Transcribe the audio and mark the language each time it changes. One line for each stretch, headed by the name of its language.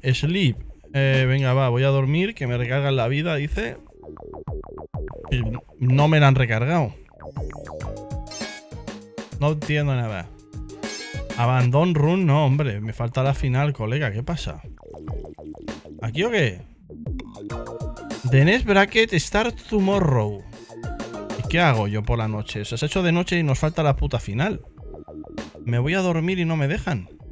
Spanish: Sleep. Venga, va, voy a dormir, que me recargan la vida, dice. No me la han recargado. No entiendo nada.
English: Abandon run,
Spanish: no, hombre. Me falta la final, colega, ¿qué pasa? ¿Aquí o qué?
English: The next bracket start tomorrow.
Spanish: ¿Y qué hago yo por la noche? O sea, se ha hecho de noche y nos falta la puta final. Me voy a dormir y no me dejan.